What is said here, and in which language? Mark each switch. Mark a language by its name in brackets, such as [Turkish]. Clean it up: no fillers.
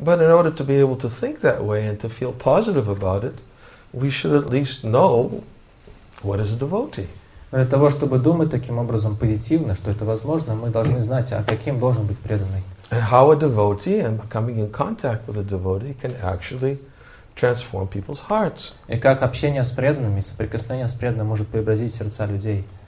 [English] But in order to be able to think that way and to feel positive about it, we should at least know what is a devotee. [Russian] Но для того, чтобы думать таким образом позитивно, что это возможно, мы должны знать, а каким должен быть преданный. [English] And how a devotee and coming in contact with a devotee can actually transform people's hearts. [Russian] И как общение с преданными, соприкосновение с преданным может преобразить сердца людей.